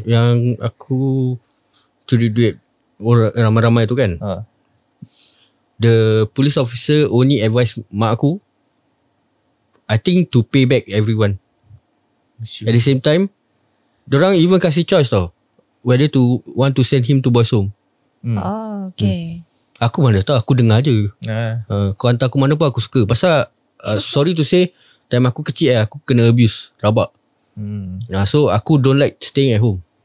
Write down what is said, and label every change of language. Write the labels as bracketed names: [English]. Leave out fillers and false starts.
[Malay] Yang aku curi duit orang ramai-ramai tu kan. [English] The police officer only advise [Malay] mak aku, [English] I think, to pay back everyone. Sure. At the same time, [Malay] diorang [English] even [Malay] kasi [English] choice [Malay] tau, [English] whether to want to send him to boys home. Okay. [Malay] Aku mana tahu, aku dengar je. Kau hantar aku mana pun aku suka. Pasal [English] sorry to say, [Malay] time aku kecil aku kena abuse rabak. [English] So [Malay] aku [English] don't like staying at home.